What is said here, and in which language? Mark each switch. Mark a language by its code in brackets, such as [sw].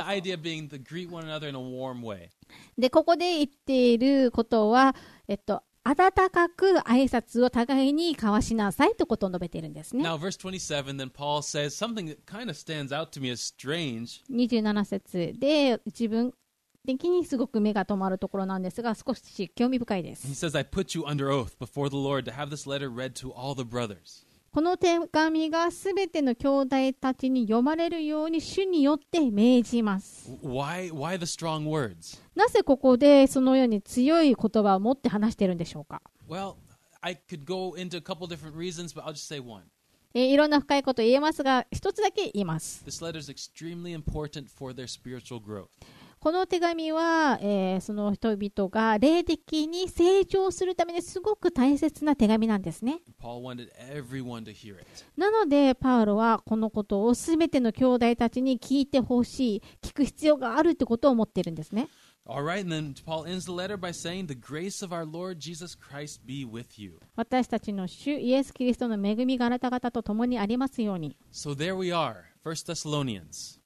[en] But the idea being to greet one another in a warm way. [ja] でここで言っていることは温かく挨拶を互いに交わしなさいということを述べているんですね。 [en] Now, verse 27, then Paul says something that kind of stands out to me as strange. [ja] 27節で自分的にすごく目が止まるところなんですが、少し興味深いです。 [en] He says, I put you under oath before the Lord to have this letter read to all the brothers. [ja] この手紙がすべての兄弟たちに読まれるように主によって命じます。 [en] Why the strong words? [ja] なぜここでそのように強い言葉を持って話しているんでしょうか。 [en] Well, I could go into a couple different reasons, but I'll just say one. [ja] いろんな深いことを言えますが、一つだけ言います。 [en] This letter is extremely important for their spiritual growth. [ja] この手紙は、その人々が霊的に成長するためにすごく大切な手紙なんですね。 [en] Paul wanted everyone to hear it. [ja] なのでパウロはこのことを全ての兄弟たちに聞いてほしい、聞く必要があるということを思っているんですね。 [en] All right, and then Paul ends the letter by saying, "The grace of our Lord Jesus Christ be with you." [ja] 私たちの主イエス・キリストの恵みがあなた方と共にありますように。 [en] So there we are, 1 Thessalonians.